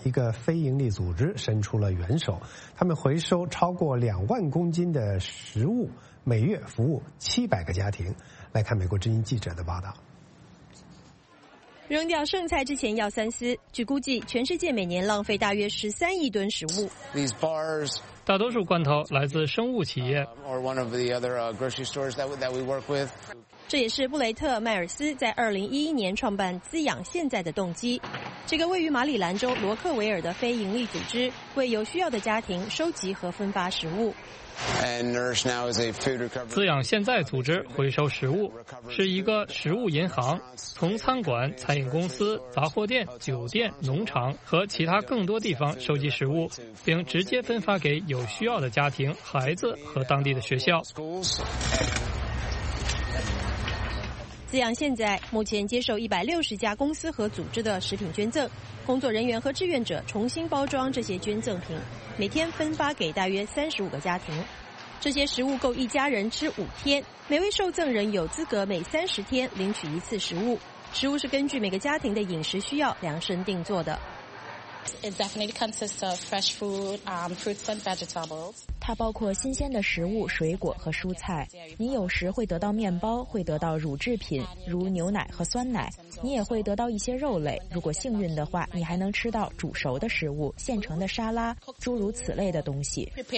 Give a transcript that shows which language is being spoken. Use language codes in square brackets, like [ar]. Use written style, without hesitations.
[zh] 一个非营利组织伸出了援手，他们回收超过2万公斤的食物，每月服务700个家庭。来看美国之音记者的报道。扔掉剩菜之前要三思。据估计，全世界每年浪费大约13亿吨食物。 [en] These bars, [zh] 大多数罐头来自生物企业。 [en] Or one of the other grocery stores that we work with. [zh] 这也是布雷特·迈尔斯在2011年创办滋养现在的动机。这个位于马里兰州罗克维尔的非营利组织为有需要的家庭收集和分发食物。滋养现在组织回收食物是一个食物银行，从餐馆、餐饮公司、杂货店、酒店、农场和其他更多地方收集食物，并直接分发给有需要的家庭、孩子和当地的学校。滋养现在目前接受160家公司和组织的食品捐赠，工作人员和志愿者重新包装这些捐赠品，每天分发给大约35个家庭。这些食物够一家人吃5天，每位受赠人有资格每30天领取一次食物。食物是根据每个家庭的饮食需要量身定做的。 [en] It definitely consists of fresh food, fruits and vegetables. [zh] 它包括新鲜的食物、水果和蔬菜。你有时会得到面包，会得到乳制品，如牛奶和酸奶。你也会得到一些肉类，如果幸运的话，你还能吃到煮熟的食物、现成的沙拉，诸如此类的东西。